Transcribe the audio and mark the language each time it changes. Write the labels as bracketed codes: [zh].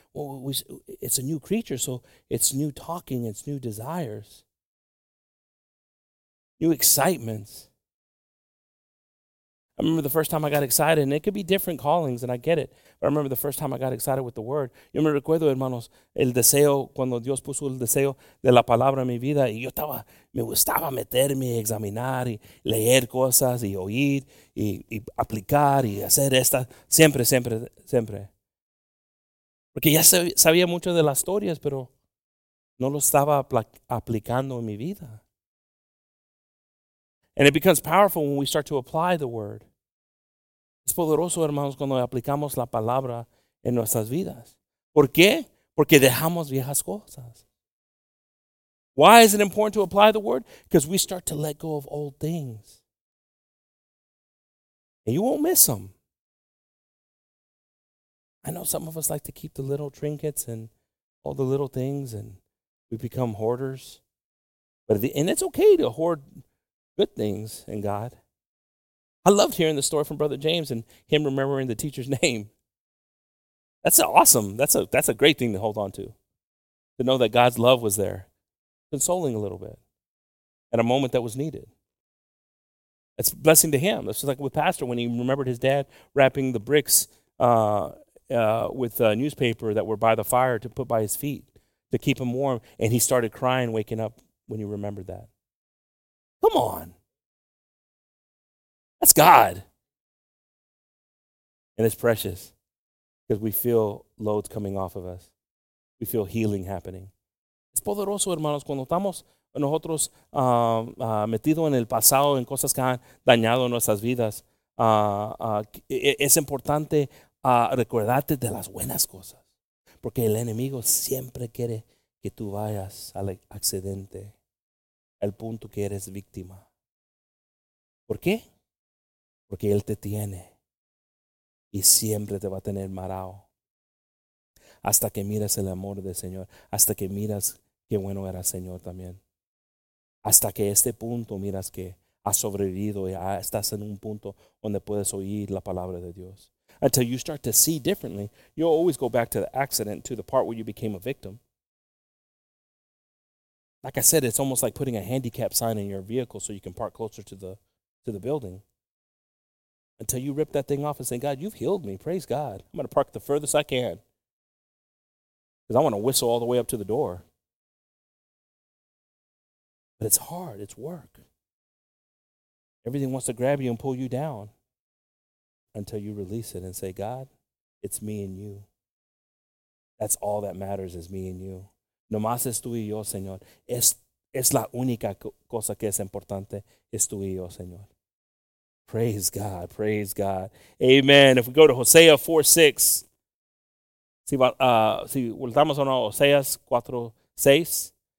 [en] Well, it's a new creature, so it's new talking, it's new desires, new excitements. I remember the first time I got excited, and it could be different callings, and I get it. But I remember the first time I got excited with the word. [es] Yo me recuerdo, hermanos, el deseo, cuando Dios puso el deseo de la palabra en mi vida, y yo estaba, me gustaba meterme, examinar, y leer cosas, y oír, y aplicar, y hacer esta, siempre, siempre, siempre. Porque ya sabía mucho de las historias, pero no lo estaba aplicando en mi vida. [en] And it becomes powerful when we start to apply the word. [es] Es poderoso, hermanos, cuando aplicamos la palabra en nuestras vidas. ¿Por qué? Porque dejamos viejas cosas. [en] Why is it important to apply the word? Because we start to let go of old things. And you won't miss them. I know some of us like to keep the little trinkets and all the little things, and we become hoarders. And it's okay to hoard good things in God. I loved hearing the story from Brother James and him remembering the teacher's name. That's awesome. That's a great thing to hold on to know that God's love was there, consoling a little bit at a moment that was needed. It's a blessing to him. It's just like with Pastor when he remembered his dad wrapping the bricks with newspaper that were by the fire to put by his feet to keep him warm, and he started crying waking up when he remembered that. Come on. That's God. And it's precious because we feel loads coming off of us. We feel healing happening. [es] Es poderoso, hermanos, cuando estamos nosotros metidos en el pasado, en cosas que han dañado nuestras vidas. Es importante recordarte de las buenas cosas. Porque el enemigo siempre quiere que tú vayas al accidente. El punto que eres víctima. ¿Por qué? Porque él te tiene y siempre te va a tener marao hasta que miras el amor del Señor, hasta que miras qué bueno era el Señor también, hasta que este punto miras que has sobrevivido y estás en un punto donde puedes oír la palabra de Dios. [en] Until you start to see differently, you'll always go back to the accident, to the part where you became a victim. Like I said, it's almost like putting a handicap sign in your vehicle so you can park closer to the building. Until you rip that thing off and say, God, you've healed me. Praise God. I'm going to park the furthest I can. Because I want to whistle all the way up to the door. But it's hard. It's work. Everything wants to grab you and pull you down. Until you release it and say, God, it's me and you. That's all that matters is me and you. [es] No más es tú y yo, Señor. Es la única cosa que es importante, es tú y yo, Señor. [en] Praise God, praise God. Amen. If we go to Hosea 4:6. [es] Si volvamos a Oseas 4:6.